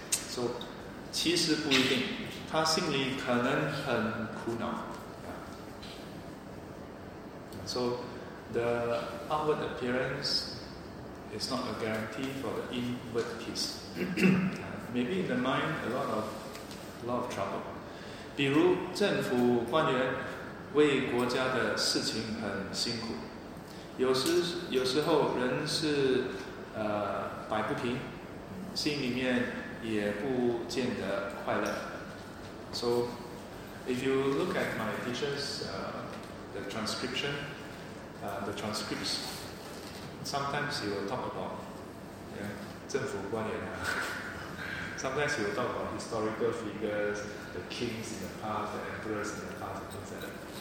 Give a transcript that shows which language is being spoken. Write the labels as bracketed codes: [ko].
[zh] So, 其实不一定，他心里可能很苦恼。 [en] So, the outward appearance is not a guarantee for the inward peace. Maybe in the mind, a lot of trouble. [zh] 比如政府官员为国家的事情很辛苦，有时候人是摆不平，心里面也不见得快乐。 [en] So, if you look at my teacher's the transcription, the transcripts, sometimes you will talk about [zh] 政府官员啊。 [en] Sometimes you will talk about historical figures, the kings in the past, the emperors in the past, and things like that.